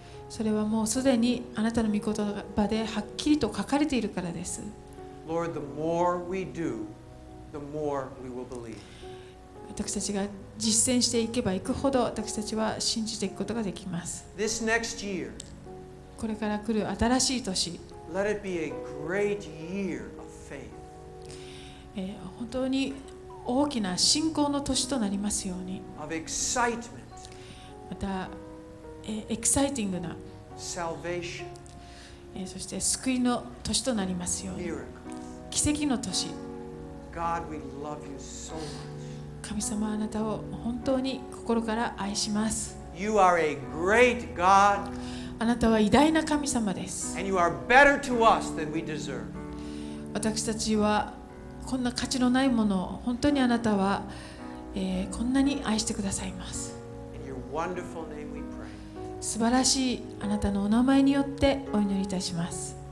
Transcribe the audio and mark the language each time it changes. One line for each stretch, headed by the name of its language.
Japanese: それはもうすでにあなたの御言葉ではっきりと書かれているからです。
English: Lord, the more we do, the more we will believe.
Japanese: 私たちが実践していけばいくほど私たちは信じていくことができます。
English: This next year,
Japanese: これから来る新しい年。
English: Let it be a great year of faith.
Japanese: 本当に大きな信仰の年となりますように。
English: Of excitement.
Japanese: また、exciting な。
English: Salvation.
Japanese: そして救いの年となりますように。
English: Miracles.
Japanese: 奇跡の年。
English: God, we love you so much.
Japanese: 神様あなたを本当に心から愛します。
English: You are a great God.
Japanese: あなたは偉大な神様です。
English: And you are better to us than we deserve.
Japanese: 私たちはこんな価値のないものを本当にあなたは、こんなに愛してくださいます。
English: In your wonderful name we pray.
Japanese: 素晴らしいあなたのお名前によってお祈りいたします。